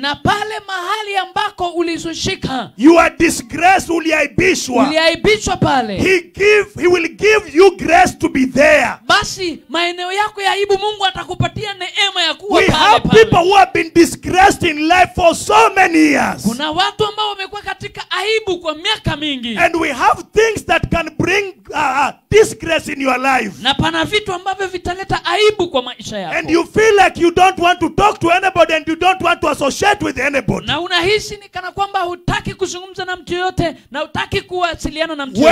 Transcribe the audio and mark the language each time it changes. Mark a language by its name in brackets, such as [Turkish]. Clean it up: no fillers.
[Swahili] Na pale mahali ambako ulizushika. [English] You are disgraced, [Swahili] uliaibishwa. Uliaibishwa pale. [English] He will give you grace to be there. Ba [Swahili] Basi maeneo yako ya aibu Mungu atakupatia neema ya kuwa pale pale. [English] We have people who have been disgraced in life for so many years. [Swahili] Kuna watu ambao wamekuwa katika aibu kwa miaka mingi. [English] And we have things that can bring disgrace in your life. [Swahili] Na pana vitu ambavyo vitaleta aibu kwa maisha yako. [English] And you feel like you don't want to talk to anybody and you don't want to associate with anybody. [Swahili] Na unahisi ni kana kwamba hutaki kuzungumza na mtu yote na hutaki kuwasiliana na mtu yote.